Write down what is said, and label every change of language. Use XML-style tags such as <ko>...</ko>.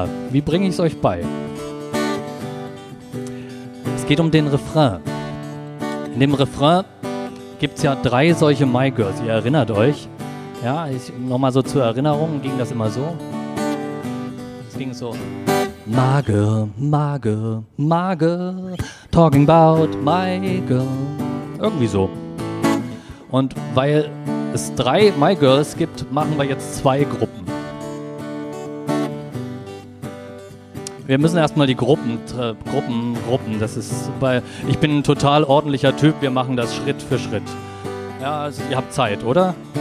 <de>Wie bringe ich es euch bei? Es geht um den Refrain. In dem Refrain gibt es ja 3 solche My Girls, ihr erinnert euch. Ja, nochmal so zur Erinnerung, ging das immer so. Es ging so.</de> <en>My girl, my girl, my girl, talking about my girl.</en> <de>Irgendwie so. Und weil es 3 My Girls gibt, machen wir jetzt 2 Gruppen. Wir müssen erstmal die Gruppen. Das ist, weil ich bin ein total ordentlicher Typ. Wir machen das Schritt für Schritt. Ja, ihr habt Zeit, oder?</de>